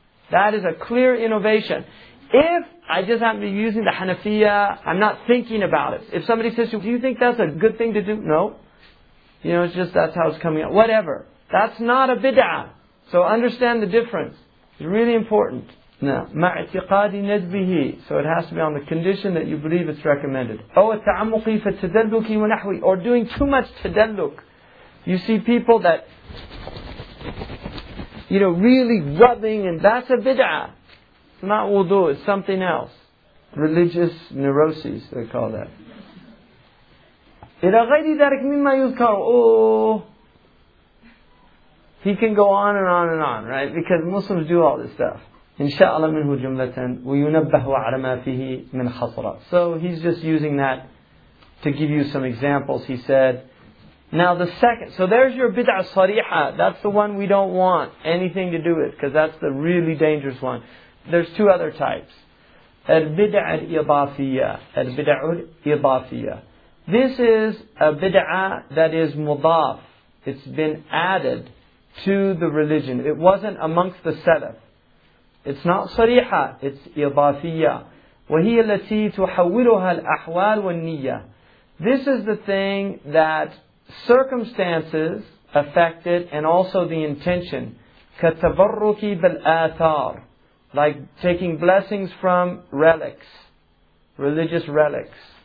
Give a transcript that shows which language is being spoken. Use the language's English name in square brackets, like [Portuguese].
[English] That is a clear innovation. If I just happen to be using the Hanafiya, I'm not thinking about it. If somebody says, do you think that's a good thing to do? No. You know, it's just that's how it's coming out. Whatever. That's not a bid'ah. So understand the difference. It's really important. Now, [Arabic] ma'atiqadi nadbihi. [English] So it has to be on the condition that you believe it's recommended. [Arabic] أو التعمق في التدلك ونحوي. [English] Or doing too much tadalluk. You see people that, you know, really rubbing, and that's a bid'ah. It's not wudu, it's something else. Religious neuroses, they call that. [Arabic] إِلَى غَيْرِ ذَلِكَ مِمَّا يُذْكَرُ. [English] Oh, he can go on and on and on, right? Because Muslims do all this stuff. [Arabic] إِنْشَاءَ مِنْهُ جُمْلَةً وَيُنَبَّهُ عَلَى مَا فِيهِ مِنْ خَطْرًا. [English] So he's just using that to give you some examples. He said, now the second, so there's your bid'ah sariha. That's the one we don't want anything to do with, because that's the really dangerous one. There's two other types. Al-bid'ah al-idafiyya. Al-bid'ah al-idafiyya. This is a bid'ah that is mudaf. It's been added to the religion. It wasn't amongst the salaf. It's not صريحة, it's إضافية. [Arabic] وهي التي تحولها الأحوال والنية. [English] This is the thing that circumstances affect it, and also the intention. [Arabic] كتبرك بالآثار. [English] Like taking blessings from relics, religious relics.